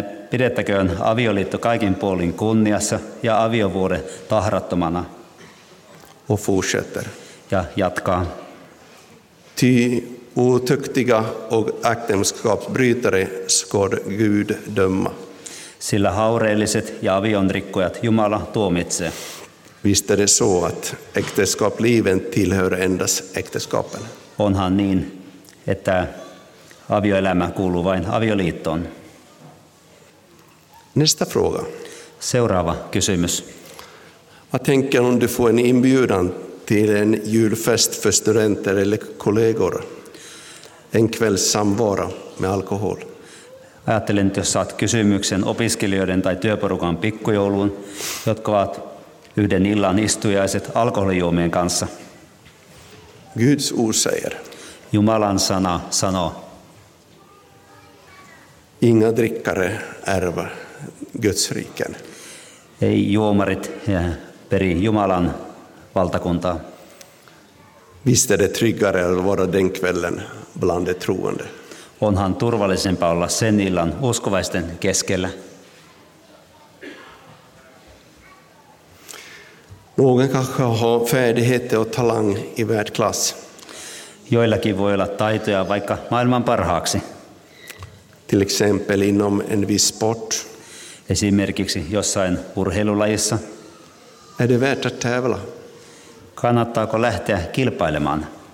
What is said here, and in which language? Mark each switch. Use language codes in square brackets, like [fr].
[fi] Pidettäköön avioliitto kaikin puolin kunniassa ja aviovuoden tahrattomana. [sv] Och fortsätter. [fi] Ja jatkaa. [sv] Ty otuktiga och äktenskapsbrytare ska Gud döma. [fi] Sillä haureelliset ja avionrikkojat Jumala tuomitsee. [sv] Visst är det så att äktenskapslivet tillhör endast äktenskapen. [fi] Onhan niin, että avioelämä kuuluu vain avioliittoon. [sv] Nästa fråga. [fi] Seuraava kysymys. [sv] Vad tänker om du får en inbjudan till en julfest för studenter eller kollegor? En kväll samvara med alkohol. [fi] Ajattelen, jos saat kysymyksen opiskelijoiden tai työporukan pikkujouluun, jotka ovat yhden illan istujaiset alkoholijuomien kanssa. [sv] Guds ord säger. [fi] Jumalan sana sanoo. [sv] Inga drickare ärva Guds riken. [fi] Ei juomarit peri Jumalan valtakuntaa. [sv] Visst är det tryggare att vara den kvällen bland de troende. [fi] Onhan turvallisempaa olla sen illan uskovaisten keskellä. [sv] Någon kanske har färdigheter och talang i världsklass. [fi] Joillakin voi olla taitoja vaikka maailman parhaaksi. [sv] Till exempel inom en viss sport. [fi] Esimerkiksi jossain urheilulajissa. [sv] Är det värt att tävla? [fi] Kannattaako lähteä kilpailemaan?